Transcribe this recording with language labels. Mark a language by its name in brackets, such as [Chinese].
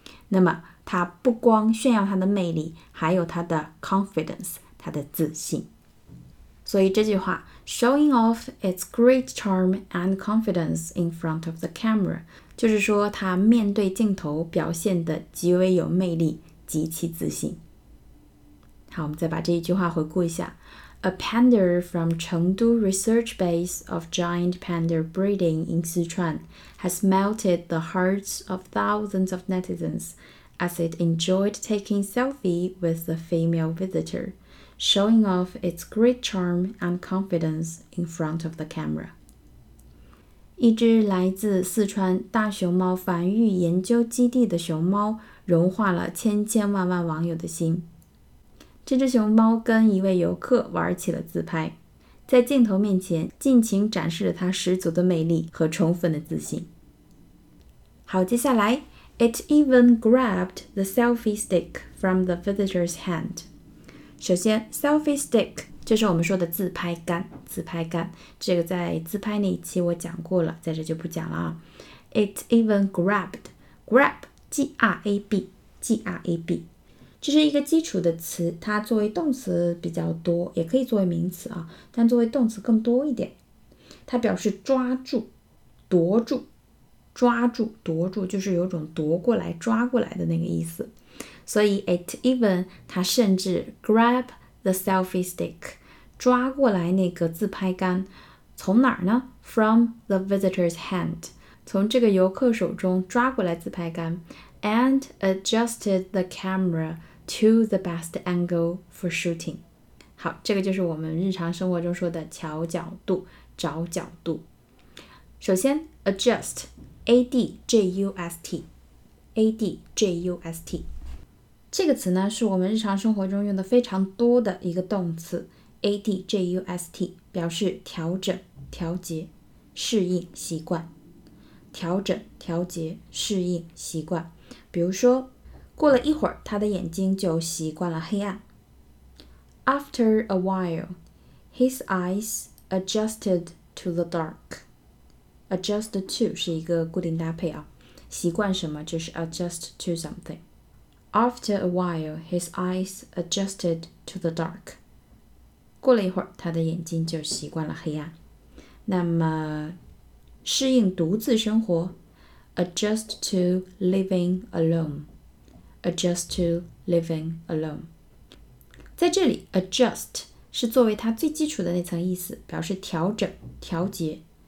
[Chinese] 那么它不光炫耀它的魅力，还有它的 confidence， 它的自信。所以这句话 [English] showing off its great charm and confidence in front of the camera， [Chinese] 就是说他面对镜头表现得极为有魅力，极其自信。好，我们再把这一句话回顾一下。 [English] A panda from Chengdu Research Base of Giant Panda Breeding in Sichuan has melted the hearts of thousands of netizens as it enjoyed taking selfie with the female visitor. Showing off its great charm and confidence in front of the camera. [Chinese] 一只来自四川大熊猫繁育研究基地的熊猫融化了千千万万网友的心。这只熊猫跟一位游客玩起了自拍，在镜头面前尽情展示了它十足的魅力和充分的自信。好，接下来 [English] It even grabbed the selfie stick from the visitor's hand. [Chinese] 首先 selfie stick 就是我们说的自拍杆，自拍杆，这个在自拍那一期我讲过了，在这就不讲了啊。 [English] It even grabbed， grab, G-R-A-B, G-R-A-B。 [Chinese] 这是一个基础的词，它作为动词比较多，也可以作为名词啊，但作为动词更多一点。它表示抓住、夺住，抓住、夺住就是有种夺过来、抓过来的那个意思。所以 [English] it even [Chinese] 它甚至 [English] grab the selfie stick， [Chinese] 抓过来那个自拍杆，从哪儿呢 ？ [English] From the visitor's hand， [Chinese] 从这个游客手中抓过来自拍杆。 [English] And adjusted the camera to the best angle for shooting. [Chinese] 好，这个就是我们日常生活中说的调角度，找角度。首先 [English] ,adjust, A-D-J-U-S-T, A-D-J-U-S-T。 [Chinese] 这个词呢是我们日常生活中用的非常多的一个动词 ,A-D-J-U-S-T, 表示调整、调节、适应、习惯。调整、调节、适应、习惯。比如说过了一会儿他的眼睛就习惯了黑暗。 [English] After a while, his eyes adjusted to the dark. [Chinese] Adjust to 是一个固定搭配啊。习惯什么就是 [English] adjust to something. After a while, his eyes adjusted to the dark. [Chinese] 过了一会儿他的眼睛就习惯了黑暗。那么适应独自生活。 [English] Adjust to living alone. Adjust to living alone. [Chinese] 在这里 ,adjust 是作为它最基础的那层意思，表示调整、调节。